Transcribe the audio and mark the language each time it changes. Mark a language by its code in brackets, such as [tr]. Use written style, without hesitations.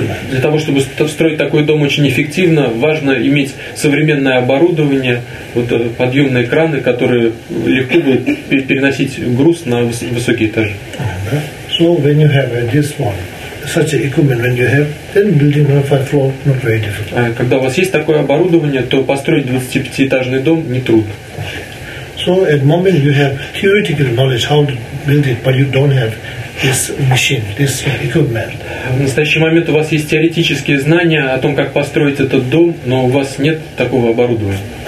[ru] Для того, чтобы строить такой дом очень эффективно, важно иметь современное оборудование, вот подъемные краны, которые легко будут переносить груз на высокие этажи. [en] So when you have this one, such equipment when you have, then building a five floor not very difficult. [ru] Когда у вас есть такое оборудование, то построить 25-этажный дом не трудно. [en] So at the moment you have theoretical knowledge how to build it, but you don't have this machine, this equipment. [ru] В настоящий момент у вас есть теоретические знания о том, как построить этот дом, но у вас нет такого оборудования.